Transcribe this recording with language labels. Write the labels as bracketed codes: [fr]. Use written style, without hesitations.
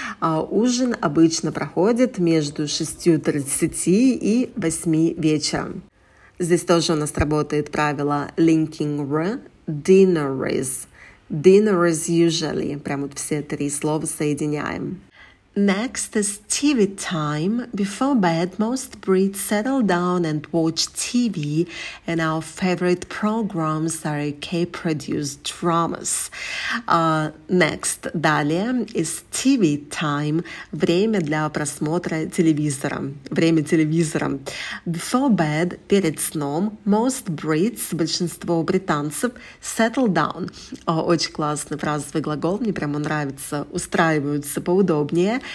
[ru] Ужин обычно проходит между 6:30 и 8 вечера. Здесь тоже у нас работает правило linking r. [en] Dinner is. Dinner is usually. [ru] Прям вот все три слова соединяем. [en] Next is TV time. Before bed, most Brits settle down and watch TV, and our favorite programs are UK-produced dramas. Next, [ru] далее, [en] is TV time. [ru] Время для просмотра телевизора. Время телевизора. [en] Before bed, [ru] перед сном, [en] most Brits, [ru] большинство британцев, [en] settle down. [ru] Очень классный фразовый глагол, мне прямо нравится. Устраиваются поудобнее.